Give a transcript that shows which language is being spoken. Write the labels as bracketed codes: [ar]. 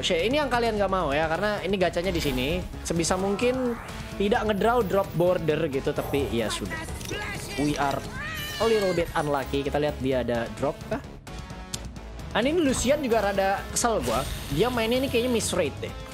[id] Shay, ini yang kalian nggak mau ya, karena ini gacanya di sini. Sebisa mungkin tidak ngedraw drop border gitu, tapi ya sudah. [en] We are a little bit unlucky. [id] Kita lihat dia ada drop kah? Dan ini Lucian juga rada kesel gua. Dia mainnya ini kayaknya misrate deh.